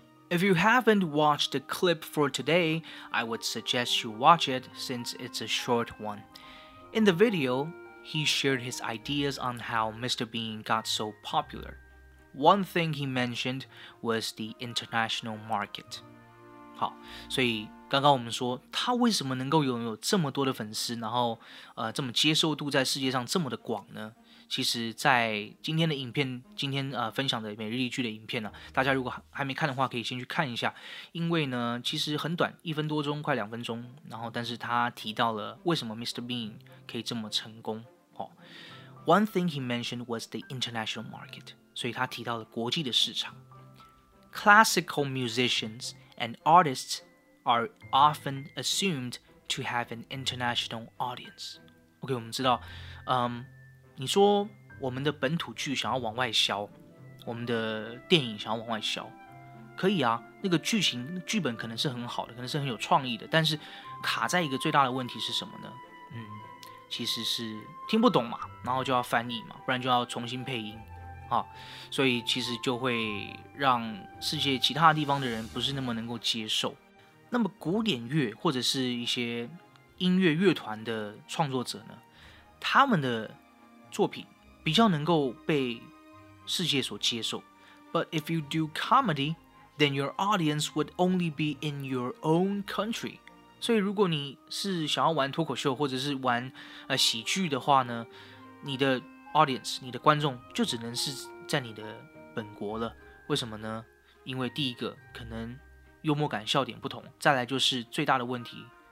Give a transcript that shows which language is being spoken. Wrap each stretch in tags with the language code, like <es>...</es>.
<en>If you haven't watched the clip for today, I would suggest you watch it since it's a short one. In the video, he shared his ideas on how Mr. Bean got so popular. One thing he mentioned was the international market.</en> <zh>好，所以刚刚我们说他为什么能够拥有这么多的粉丝，然后这么接受度在世界上这么的广呢？其实在今天的影片，今天分享的每日一句的影片呢，大家如果还没看的话可以先去看一下，因为呢其实很短，一分多钟，快两分钟，然后但是他提到了为什么 Mr. Bean 可以这么成功。</zh> <en>One thing he mentioned was the international market,</en> <zh>所以他提到了国际的市场。</zh> <en>Classical musicians and artists are often assumed to have an international audience.</en> <zh>OK, 我们知道你说我们的本土剧想要往外销，我们的电影想要往外销，可以啊，那个剧情剧本可能是很好的，可能是很有创意的，但是卡在一个最大的问题是什么呢？其实是听不懂嘛，然后就要翻译嘛，不然就要重新配音，所以其实就会让世界其他地方的人不是那么能够接受。那么古典乐或者是一些音乐乐团的创作者呢，他们的作品比较能够被世界所接受。</zh> <en>But if you do comedy, then your audience would only be in your own country.</en> <zh>所以如果你是想要玩脱口秀或者是玩喜剧的话呢，你的 audience, 你的观众就只能是在你的本国了。为什么呢？因为第一个可能幽默感笑点不同，再来就是最大的问题。</zh>